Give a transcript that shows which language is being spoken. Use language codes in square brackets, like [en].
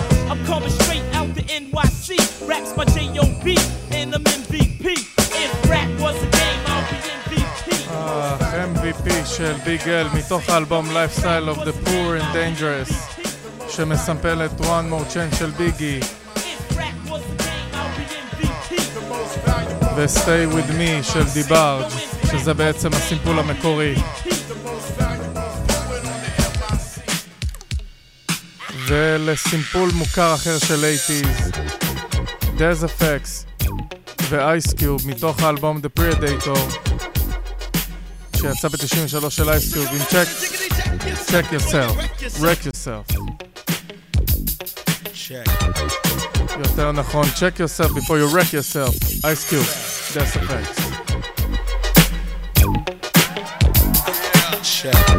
[en] I'm coming straight out the NYC. Raps by J.O.B. and I'm MVP. If rap was a game, I'll be MVP. [he] MVP של Big L מתוך האלבום Lifestyle of the Poor and Dangerous, שמסמפל את One More Chance של ביגי. ו-Stay With Me של דיברג', שזה בעצם הסימפול המקורי. ולסימפול מוכר אחר של 80's, Daz FX ו-Ice Cube מתוך האלבום The Predator שיצא ב-93 של Ice Cube. עם [en] check yourself, wreck yourself. Check. [he] יותר נכון, [en] check yourself before you wreck yourself. Ice Cube, Daz FX. Check.